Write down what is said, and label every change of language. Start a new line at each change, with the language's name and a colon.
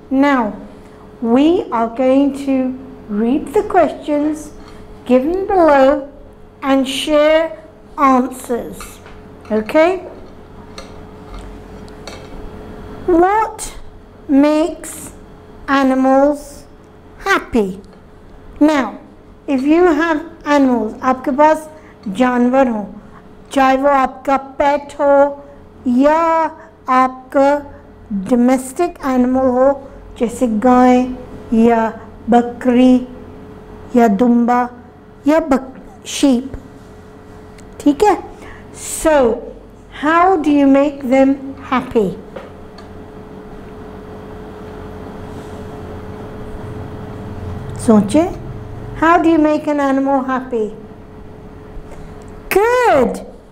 English: Now, we are going to read the questions given below and share answers. Okay? What makes animals happy? Now, if you have animals,
Hindi: आपके पास जानवर हो, चाहे वो आपका pet हो या आपका domestic animal हो, जैसे गाय या बकरी या दुम्बा या sheep, ठीक है?
English: So, how do you make them happy?
Hindi: सोचे?
English: How do you make an animal happy? Good!